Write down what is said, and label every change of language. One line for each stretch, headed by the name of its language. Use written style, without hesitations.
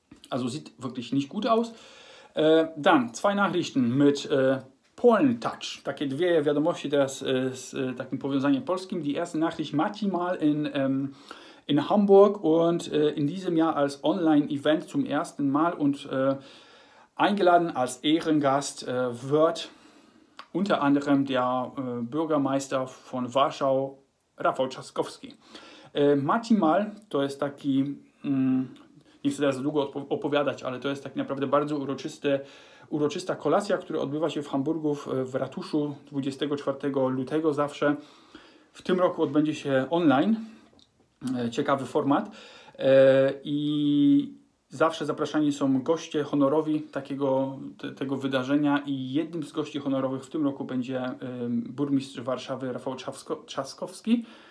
German: Also sieht wirklich nicht gut aus. Dann zwei Nachrichten mit Polen-Touch.
Polish: Takie dwie wiadomości teraz z takim powiązaniem polskim.
German: Die erste Nachricht, Martin mal in Hamburg und in diesem Jahr als Online-Event zum ersten Mal und eingeladen als Ehrengast wird unter anderem der Bürgermeister von Warschau, Rafał Trzaskowski.
Polish: Mati Mal to jest taki, nie chcę teraz długo opowiadać, ale to jest tak naprawdę bardzo uroczysta kolacja, która odbywa się w Hamburgu w ratuszu 24 lutego zawsze. W tym roku odbędzie się online, ciekawy format i zawsze zapraszani są goście honorowi tego wydarzenia i jednym z gości honorowych w tym roku będzie burmistrz Warszawy Rafał Trzaskowski.